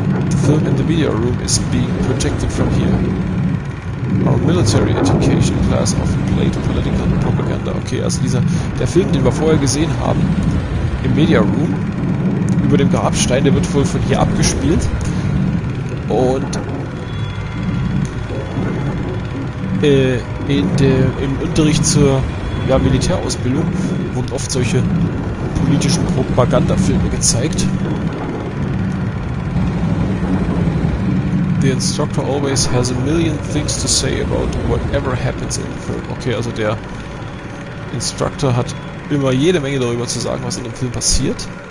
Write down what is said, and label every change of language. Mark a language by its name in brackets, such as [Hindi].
[English] The film in the video room is being projected from here. Our military education class often played political propaganda. [German] Okay, also der Film, den wir vorher gesehen haben, im Media Room, über dem Grabstein, der wird wohl von hier abgespielt. Und im Unterricht zur Militärausbildung wurden oft solche politischen Propagandafilme gezeigt. [English] The instructor always has a million things to say about whatever happens in the film. [German] Okay, also der Instructor hat immer jede Menge darüber zu sagen, was in dem Film passiert.